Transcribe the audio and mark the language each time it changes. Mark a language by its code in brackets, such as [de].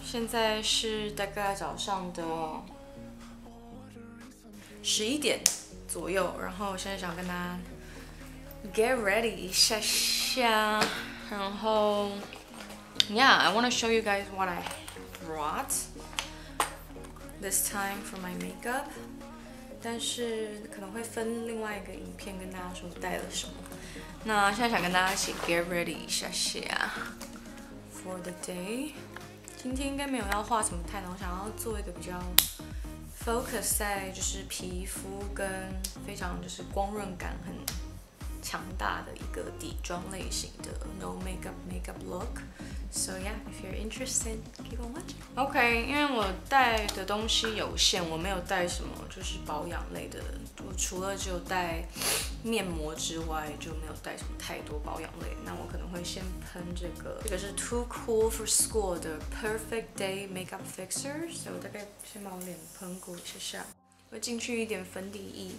[zh] 现在是大概早上的11点左右，然后现在想跟大家 [en] get ready [zh] 一下下，然后 [en] yeah, I want to show you guys what I brought this time for my makeup. [zh] 但是可能会分另外一个影片跟大家说带了什么。那现在想跟大家一起 [en] get ready [zh] 一下下 [en] for the day。 [zh] 今天应该没有要画什么太浓，我想要做一个比较 focus 在就是皮肤跟非常就是光润感很强大的一个底妆类型的 [en] no makeup makeup look。 So yeah, if you're interested, keep on watching. [zh] Okay, 因为我带的东西有限，我没有带什么就是保养类的，我除了只有带面膜之外，就没有带什么太多保养类。那我可能会先喷这个，这个是 Too Cool for School 的 Perfect Day Makeup Fixer， 所以我大概先把我脸喷过一下下，我进去一点粉底液。